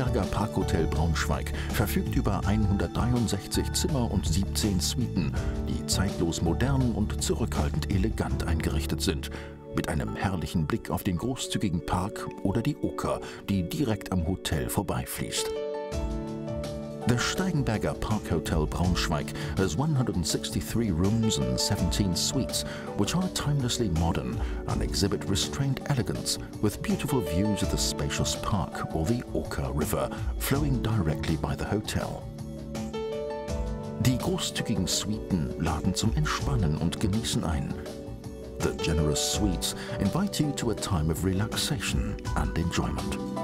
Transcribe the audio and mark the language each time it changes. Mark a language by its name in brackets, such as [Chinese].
[German] Parkhotel Braunschweig verfügt über 163 Zimmer und 17 Suiten, die zeitlos modern und zurückhaltend elegant eingerichtet sind, mit einem herrlichen Blick auf den großzügigen Park oder die Oker, die direkt am Hotel vorbeifließt. [English] The Steigenberger Parkhotel Braunschweig has 163 rooms and 17 suites, which are timelessly modern and exhibit restrained elegance with beautiful views of the spacious park or the Oker River, flowing directly by the hotel. [German] Die großzügigen Suiten laden zum Entspannen und Genießen ein. [English] The generous suites invite you to a time of relaxation and enjoyment.